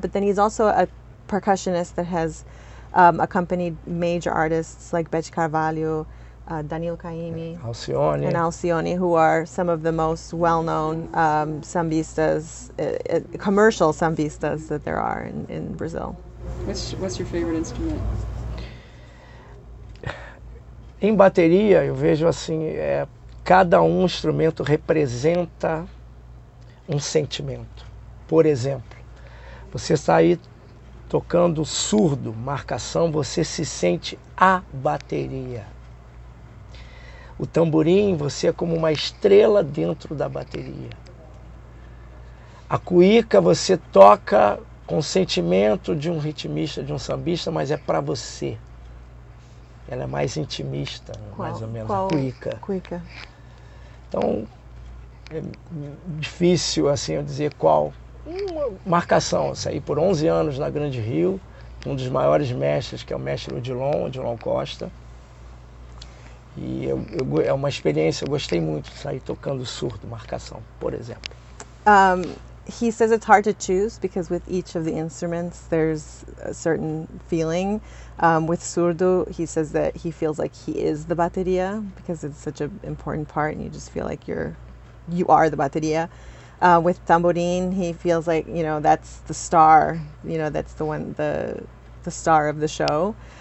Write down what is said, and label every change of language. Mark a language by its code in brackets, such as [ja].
[en] But then he's also a percussionist that has accompanied major artists like Beth Carvalho, Danilo Caymmi, Alcione, and Alcione, who are some of the most well-known sambistas, commercial sambistas that there are in Brazil. What's your favorite instrument? [pt] Em bateria, eu vejo assim, cada um instrumento representa um sentimento. Por exemplo, você está aí tocando surdo, marcação, você se sente a bateria. O tamborim, você é como uma estrela dentro da bateria. A cuíca, você toca com o sentimento de um ritmista, de um sambista, mas é para você. Ela é mais intimista, qual, mais ou menos, a cuíca. Cuíca. Então, é difícil assim eu dizer qual. Marcação, eu saí por 11 anos na Grande Rio, um dos maiores mestres, que é o mestre Odilon Costa. E é uma experiência, eu gostei muito de sair tocando surdo, marcação, por exemplo. [en] He says it's hard to choose because with each of the instruments there's a certain feeling. With surdo, he says that he feels like he is the bateria because it's such an important part, and you just feel like you are the bateria. With tamborim, he feels like, you know, that's the star, you know, that's the one, the star of the show.